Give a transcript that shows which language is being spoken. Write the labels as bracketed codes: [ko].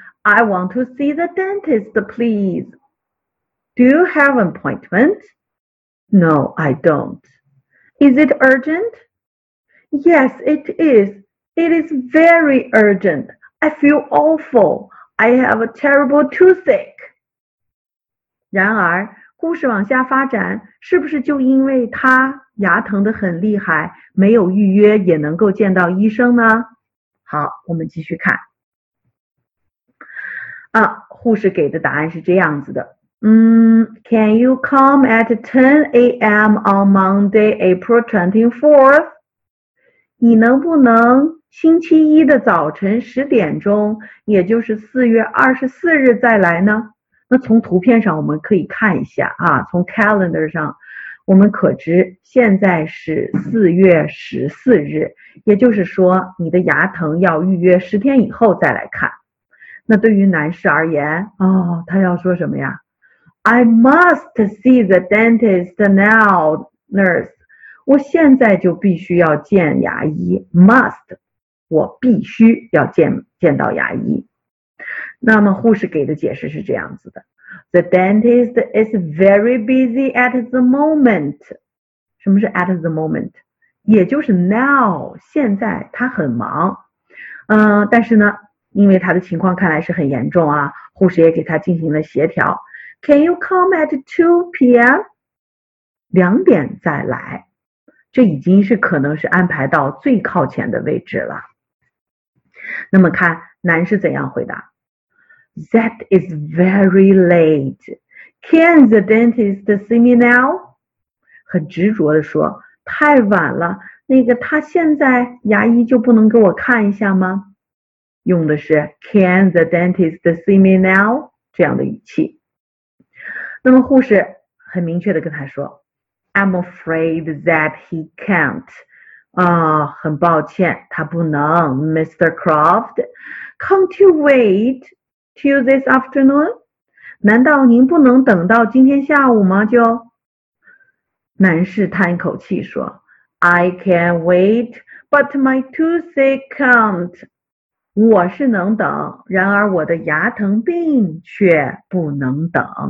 [en] I want to see the dentist, please. Do you have an appointment? No, I don't. Is it urgent? Yes, it is. It is very urgent. I feel awful. I have a terrible toothache. [zh] 然而，故事往下发展，是不是就因为他牙疼得很厉害，没有预约也能够见到医生呢？好，我们继续看。啊，护士给的答案是这样子的。 [en] Can you come at 10 a.m. on Monday, April 24th? [zh] 你能不能星期一的早晨10点钟，也就是4月24日再来呢？那从图片上我们可以看一下啊，从 calendar 上我们可知现在是4月14日，也就是说你的牙疼要预约10天以后再来看。那对于男士而言，哦，他要说什么呀 ？ [en] I must see the dentist now, nurse. [zh] 我现在就必须要见牙医。Must， 我必须要见到牙医。那么护士给的解释是这样子的 ： [en] The dentist is very busy at the moment. [zh] 什么是 [en] at the moment？ [zh] 也就是 now， 现在他很忙。但是呢。因为他的情况看来是很严重啊，护士也给他进行了协调。 [en] Can you come at 2 p.m.? [zh] 两点再来，这已经是可能是安排到最靠前的位置了。那么看男士怎样回答 ？ [en] That is very late. Can the dentist see me now? [zh] 很执着地说，太晚了，那个他现在牙医就不能给我看一下吗？用的是 [en] Can the dentist see me now? [zh] 这样的语气。那么护士很明确地跟他说 [en] I'm afraid that he can't. [zh] 很抱歉他不能 Mr. [en] Croft, can't you wait till this afternoon? [zh] 难道您不能等到今天下午吗就男士叹口气说 [en] I can wait, but my toothache can't. [zh] 我是能等，然而我的牙疼病却不能等。